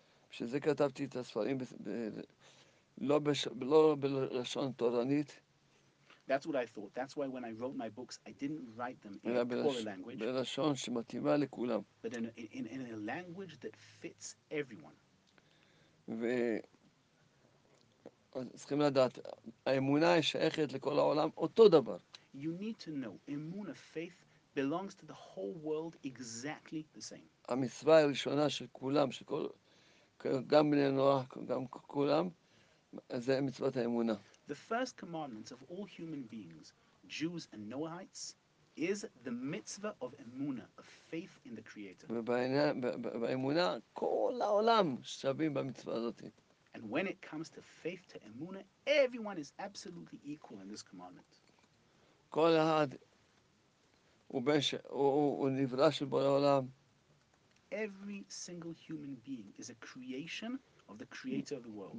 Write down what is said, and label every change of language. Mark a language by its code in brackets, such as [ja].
[he] שזה כתבתי את הספרים לא בלשון תורנית. [en] That's what I thought. That's why when I wrote my books, I didn't write them in a Torah language. [he] בלשון שמתאימה לכולם. [en] But in a language that fits everyone. [he] צריכים לדעת, האמונה שייכת לכל העולם אותו דבר. [en] You need to know, emunah, faith, belongs to the whole world exactly the same. [he] המצווה הראשונה של כולם, של כל... גם בני נוח, גם כולם, זה מצוות האמונה. [en] The first commandment of all human beings, Jews and Noahites, is the mitzvah of emunah, of faith in the Creator. [he] באמונה, כל העולם שווים במצווה הזאת. [en] And when it comes to faith, to emunah, everyone is absolutely equal in this commandment. [he] כל אחד הוא נברא של בורא העולם. [en] Every single human being is a creation of the Creator of the world.